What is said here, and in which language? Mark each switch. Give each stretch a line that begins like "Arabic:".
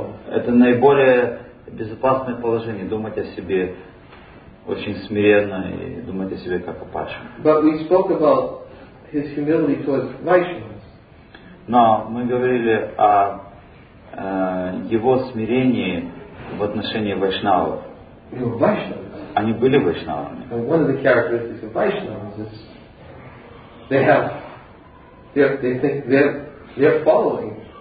Russian: Это наиболее безопасное положение, думать о себе очень смиренно и думать о себе как о падшем.
English: But we spoke about his humility towards Vaishnavas.
Russian: Но мы говорили о его смирении в отношении вайшнавов.
English: They were Vaishnavas.
Russian: Они были вайшнавами.
English: And one of the characteristics of Vaishnavas is they're following.